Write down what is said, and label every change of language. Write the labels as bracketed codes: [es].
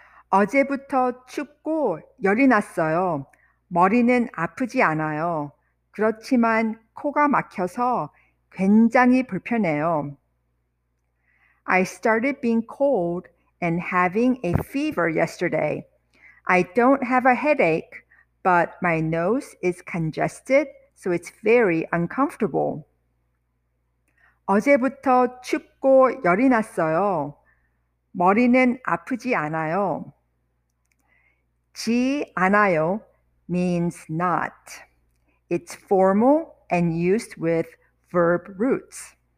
[ko] "어제부터 춥고 열이 났어요. 머리는 아프지 않아요. 그렇지만 코가 막혀서 굉장히 불편해요. [en] I started being cold and having a fever yesterday. I don't have a headache, but my nose is congested, so it's very uncomfortable. [ko] 어제부터 춥고 열이 났어요. 머리는 아프지 않아요. 지 않아요 [en] means not. It's formal and used with verb roots.